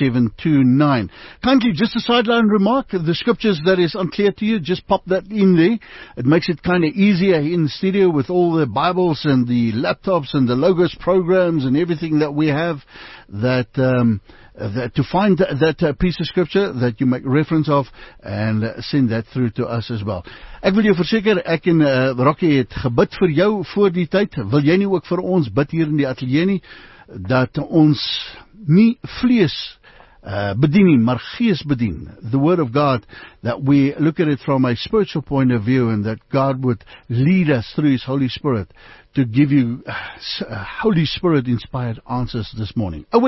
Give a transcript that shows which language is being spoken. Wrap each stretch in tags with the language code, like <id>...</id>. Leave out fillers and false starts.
<en>082-657-2729. Kindly, just a sideline remark. The scriptures that is unclear to you, just pop that in there. It makes it kind of easier in the studio with all the Bibles and the laptops and the Logos programs and everything that we have that... to find that piece of scripture that you make reference of and send that through to us as well.</en> <af>Ek wil jou verseker, ek en Rocky het gebid vir jou voor die tyd. Wil jy nie ook vir ons bid hier in die atelier nie, dat ons nie vlees bedien nie, maar gees bedien.</af> <en>The word of God, that we look at it from a spiritual point of view and that God would lead us through His Holy Spirit to give you Holy Spirit inspired answers this morning.</en>